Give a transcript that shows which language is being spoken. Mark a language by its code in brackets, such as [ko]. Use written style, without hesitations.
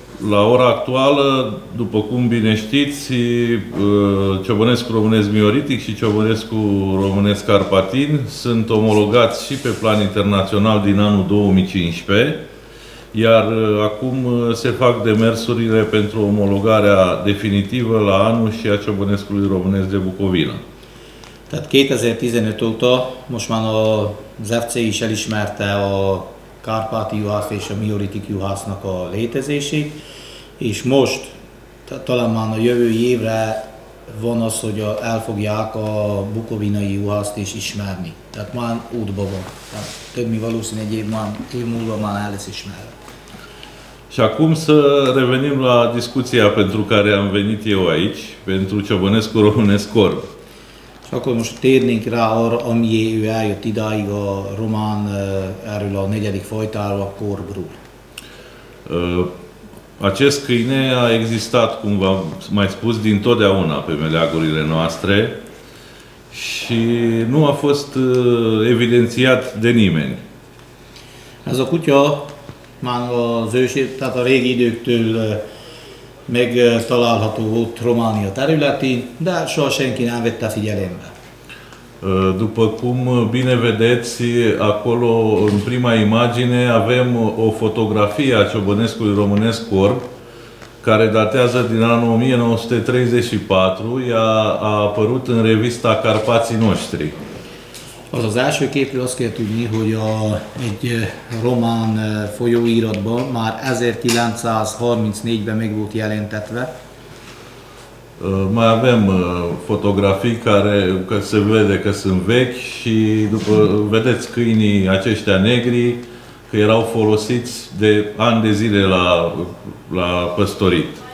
[ro] La ora actuală, după cum bine știți, ciobănescu românesc mioritic și ciobănescu românesc carpatin sunt omologați și pe plan internațional din anul 2015, iar acum se fac demersurile pentru omologarea definitivă la anul și a ciobănescului românesc de Bucovina. [hu] Tehát 2015 óta most már az FCI is elismerte a kárpáti juhász és a mioritic juhásznak a létezését, és most, talán már a jövő évre van az, hogy elfogják a bukovinai juhászt is ismerni. Tehát már útba van. Tehát több mi valószínű egy év, már, év múlva már el lesz ismerve. [ro] Și acum să revenim la discuția pentru care am venit eu aici, pentru Ciobănescu Românesc Corb. [hu] És akkor most térnénk rá arra, amiért ő eljött idáig a román, erről a negyedik fajtáról, a korbról. [ro] Acest câine a existat, cum v-am mai spus, dintotdeauna pe meleagurile noastre și nu a fost evidențiat de nimeni. [hu] Ez a kutya már az ősi, tehát a régi időktől megtalálható volt Románia területén, de soha senki nem vette figyelembe. [ro] După cum bine vedeți, acolo, în prima imagine, avem o fotografie a Ciobănescului Românesc Corb, care datează din anul 1934, ea a apărut în revista Carpații Noștri. [hu] Az az első képről azt kell tudni, hogy egy román folyóiratban már 1934-ben meg volt jelentetve. [ro] Mai avem fotografii care se vede că sunt vechi și după, vedeți câinii aceștia negri că erau folosiți de ani de zile la păstorit.